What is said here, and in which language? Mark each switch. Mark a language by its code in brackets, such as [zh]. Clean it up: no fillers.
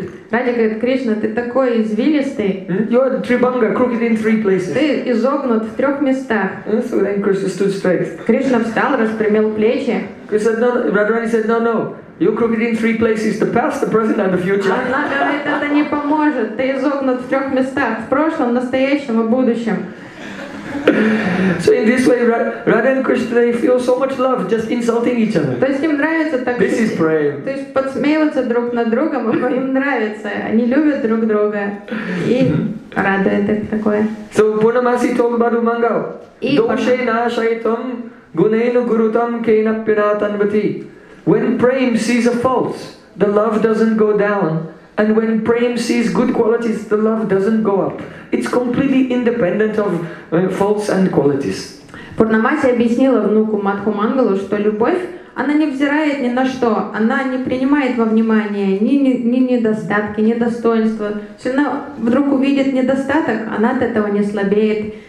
[ru] Радика говорит, Кришна, ты такой извилистый. [en] You are tribhanga, crooked in three places. [ru] Ты изогнут в трех местах. [en] So then Krishna stood straight. [ru] Кришна встал, распрямил плечи. [en] Радхарани said, no, no. You're crooked in three places, the past, the present, and the future. [ru] Она говорит, это не поможет. Ты изогнут в трех местах, в прошлом, настоящем и будущем. [en] So in this way, Radha and Krishna, they feel so much love, just insulting each other. [ru] То есть им нравится так. [en] This is prayer. [ru] То есть подсмеиваться друг над другом, им нравится. Они любят друг друга и радует их такое. [en] So Purnamasi told Bhadu Mangal. [sa] Doshe na shaitam gunenu gurutam kena piratanvati. [en] When Prem sees a fault, the love doesn't go down. And when Prem sees good qualities, the love doesn't go up. It's completely independent of faults and qualities. [ru] Пурнамаси объяснила внуку Мадху Мангалу, что любовь, она не взирает ни на что, она не принимает во внимание ни недостатки, ни достоинства. Если она вдруг увидит недостаток, она от этого не слабеет.